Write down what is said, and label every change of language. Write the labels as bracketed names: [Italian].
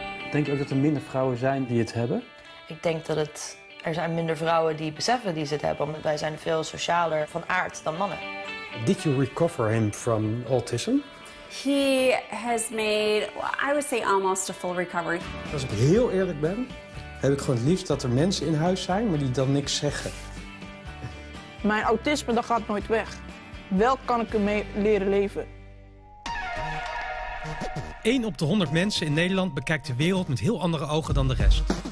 [Dutch] Denk je ook dat er minder vrouwen zijn die het hebben? Ik denk dat er zijn minder vrouwen die beseffen die ze het hebben. Omdat wij zijn veel socialer van aard dan mannen. [English] Did you recover him from autism? He has made, I would say, almost a full recovery. [Dutch] Als ik heel eerlijk ben, heb ik gewoon het liefst dat er mensen in huis zijn, maar die dan niks zeggen. Mijn autisme, dat gaat nooit weg. Wel kan ik ermee leren leven. 1 op de 100 mensen in Nederland bekijkt de wereld met heel andere ogen dan de rest.